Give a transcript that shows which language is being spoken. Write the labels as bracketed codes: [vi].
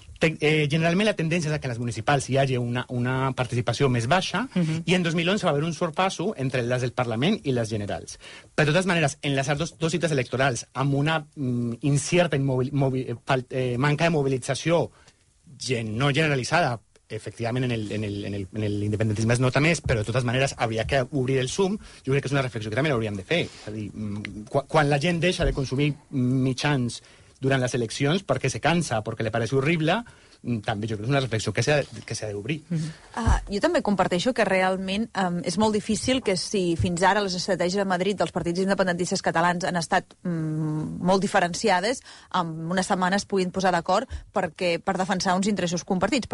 [ca] Generalment la tendència és que en les municipals hi hagi una participació més baixa, uh-huh, i en 2011 va haver un sorpasso entre les del Parlament i les generals. Per totes maneres, en les dos cites electorals, amb una incerta manca de mobilització no generalitzada, [es] efectivamente en el independentismo es nota más, pero de todas maneras habría que abrir el Zoom. Yo creo que es una reflexión que también habrían de [ca] fer. És a dir, quan la gent deixa de consumir mitjans durant les eleccions perquè se cansa, perquè li pareix horrible, també jo crec que és una reflexió que s'ha d'obrir. Jo també comparteixo que realment és molt difícil que si fins ara les estratègies de Madrid dels partits independentistes catalans han estat molt diferenciades, en una setmana es puguin posar d'acord per defensar uns interessos compartits.